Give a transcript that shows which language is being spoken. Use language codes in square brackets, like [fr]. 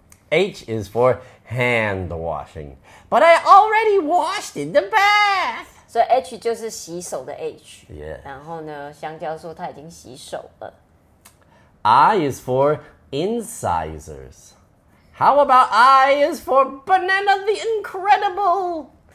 [en] H is for hand washing, but I already washed in the bath. [zh] 所以 H 就是洗手的 H。 [en] Yeah. [zh] 然后呢，香蕉说他已经洗手了。 [en] I is for incisors. How about I is for Banana the Incredible?